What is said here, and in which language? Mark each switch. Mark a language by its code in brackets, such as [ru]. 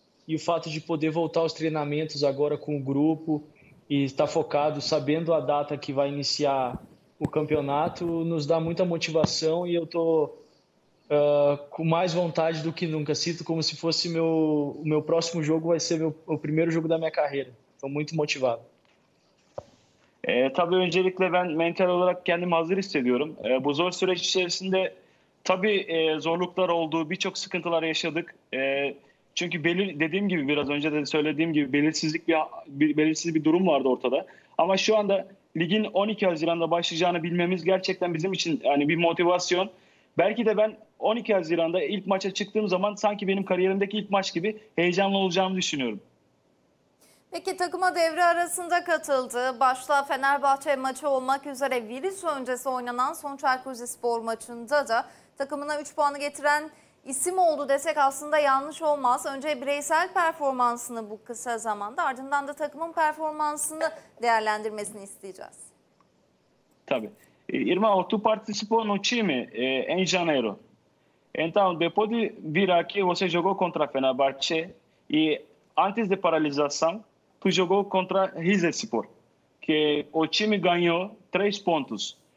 [pt] E o fato de poder voltar aos treinamentos agora com o grupo e estar focado, sabendo a data que vai iniciar o campeonato, nos dá muita motivação e eu estou com mais vontade do que nunca. Sinto como se fosse o meu próximo jogo, vai ser o primeiro jogo da minha carreira. Estou muito motivado. [tr] Tabii öncelikle ben mental olarak kendimi hazır hissediyorum. Bu zor süreç içerisinde tabii zorluklar oldu, birçok sıkıntılar yaşadık. Çünkü dediğim gibi biraz önce de söylediğim gibi belirsiz bir durum vardı ortada. Ama şu anda ligin 12 Haziran'da başlayacağını bilmemiz gerçekten bizim için yani bir motivasyon. Belki de ben 12 Haziran'da ilk maça çıktığım zaman sanki benim kariyerimdeki ilk maç gibi heyecanlı olacağımı düşünüyorum. Peki takıma devre arasında katıldı. Başta Fenerbahçe maçı olmak üzere virüs öncesi oynanan son Çaykur maçında da takımına 3 puanı getiren İsim oldu desek aslında yanlış olmaz. Önce bireysel performansını bu kısa zamanda, ardından da takımın performansını değerlendirmesini isteyeceğiz. Tabii. [pt] Irmão, tu participou no time em janeiro. Então, depois de vir aqui, você jogou contra Fenerbahçe e antes de paralisação, tu jogou contra Rizespor, que o time ganhou 3 pontos.